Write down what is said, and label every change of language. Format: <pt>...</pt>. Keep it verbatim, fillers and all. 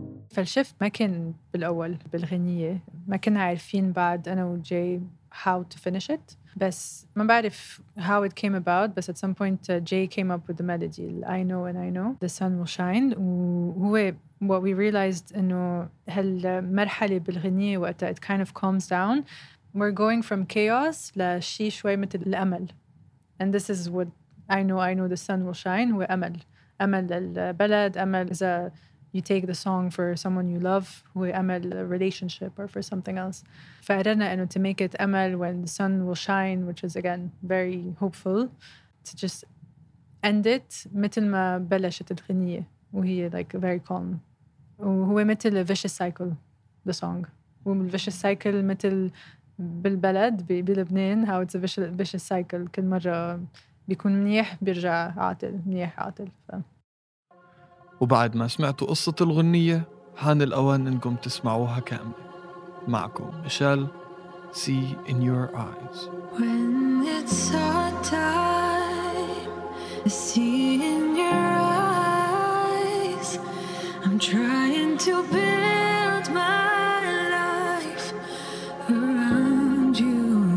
<ar>فالشفت ما كان بالأول بالغنية، ما كنا عارفين بعد أنا وجاي</ar> <en>how to finish it،</en> <ar>بس ما بعرف</ar> <en>how it came about. بس at some point uh, Jay came up with the melody I know and I know the sun will shine. وهو what we realized</en> <ar>إنه هالمرحلة بالغنية وقتها</ar> <en>it kind of calms down. We're going from chaos</en> <ar>لشي شوي مثل الأمل.</ar> <en>And this is what I know I know the sun will shine.</en> <ar>هو أمل، أمل للبلد، أمل إذا</ar> <en>you take the song for someone you love who أمل a relationship or for something else.</en> <ar>فقررنا إنه</ar> <en>to make it أمل when the sun will shine, which is again very hopeful, to just end it</en> <ar>مثل ما بلشت الغنية وهي</ar> <en>like very calm.</en> <ar>وهو مثل</ar> <en>a vicious cycle the song. وال vicious cycle</en> <ar>مثل بالبلد بلبنان</ar> <en>how it's a vicious, vicious cycle.</en> <ar>كل مرة بيكون منيح بيرجع عاطل، منيح عاطل. ف... وبعد ما سمعتوا قصة الغنية حان الأوان إنكم تسمعوها كاملة. معكم ميشيل، See in your eyes.</ar> <en>When it's our time, see in your eyes. I'm trying to build my life around you.</en>